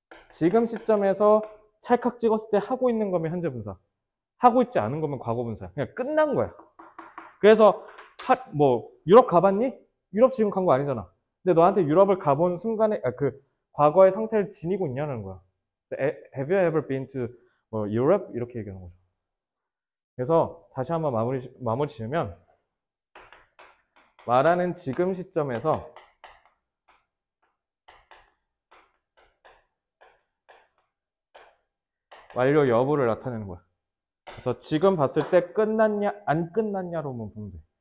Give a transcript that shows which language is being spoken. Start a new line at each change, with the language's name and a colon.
Korean: 지금 시점에서 찰칵 찍었을 때 하고 있는 거면 현재 분사. 하고 있지 않은 거면 과거 분사야. 그냥 끝난 거야. 그래서 뭐 유럽 가봤니? 유럽 지금 간거 아니잖아. 근데 너한테 유럽을 가본 순간에 아, 그 과거의 상태를 지니고 있냐는 거야.
English: Have you ever been to
Korean: 뭐 유럽? 이렇게 얘기하는 거죠. 그래서 다시 한번 마무리 지으면 말하는 지금 시점에서 완료 여부를 나타내는 거야. 그래서 지금 봤을 때 끝났냐, 안 끝났냐로만 보면 돼.